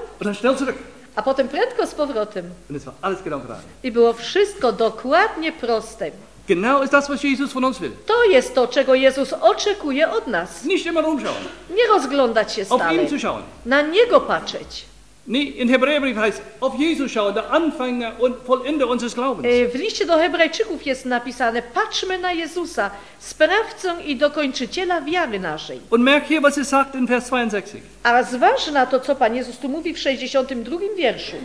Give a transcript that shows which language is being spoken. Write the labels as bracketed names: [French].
[German] Und dann schnell zurück. [Polish] A potem prędko z powrotem. [German] Und es war alles genau klar. [Polish] I było wszystko dokładnie proste. [German] Genau ist das, was Jesus von uns will. [Polish] To jest to, czego Jezus oczekuje od nas. [German] Nicht immer umschauen. [Polish] Nie rozglądać się [German] auf [Polish] stale. [German] Ihn zu schauen. [Polish] Na Niego patrzeć. [German] Nie, in Hebräerbrief heißt, auf Jesus schauen, der Anfänger und Vollender unseres Glaubens. [Polish] W liście do Hebrajczyków jest napisane, patrzmy na Jezusa, sprawcą i dokończyciela wiary naszej. [German] Und merk hier, was er sagt in Vers 62. [Polish] A zważ na to, co Pan Jezus tu mówi w 62 wierszu.